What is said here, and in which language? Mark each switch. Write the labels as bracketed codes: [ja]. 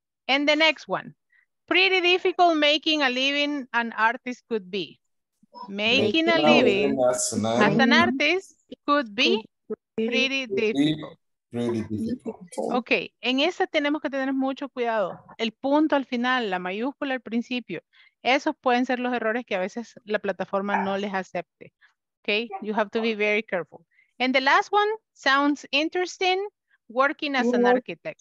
[en] And the next one, pretty difficult making a living an artist could be. Making a living as an artist could be pretty difficult. [es] Okay, en esa tenemos que tener mucho cuidado. El punto al final, la mayúscula al principio. Esos pueden ser los errores que a veces la plataforma no les acepte. [en] Okay, you have to be very careful. And the last one sounds interesting, working as an architect.